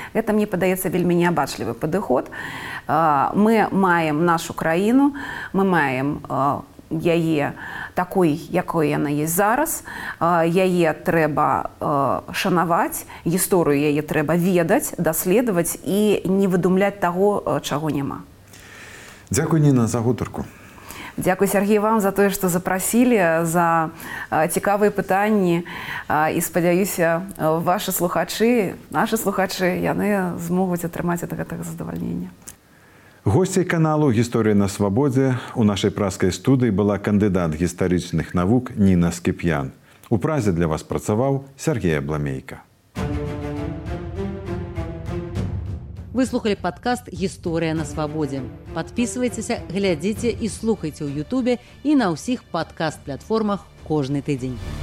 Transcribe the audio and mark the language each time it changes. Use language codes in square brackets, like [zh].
[be] Гэта, мне падаецца, вельмі неабачлівы падыход. Мы маем нашу краіну, мы маем яе такой, якой яна ёсць зараз. Яе трэба шанаваць, гісторыю яе трэба ведаць, даследаваць і не выдумляць таго, чаго няма. Дзякуй, Ніна, за гутарку. [uk] Дякую, Сергій, вам за те, що запросили, за цікаві питання. І сподіваюся, ваші слухачі, наші слухачі, вони зможуть отримати таке задовольнення. Гості каналу «Історія на свободі» у нашій празькій студії була кандидат історичних наук Ніна Скіп'ян. У Празі для вас працював Сергій Обламейко. [ru] Вы слухали подкаст «История на свободе». Подписывайтесь, глядите и слухайте в Ютубе и на всех подкаст-платформах каждый день.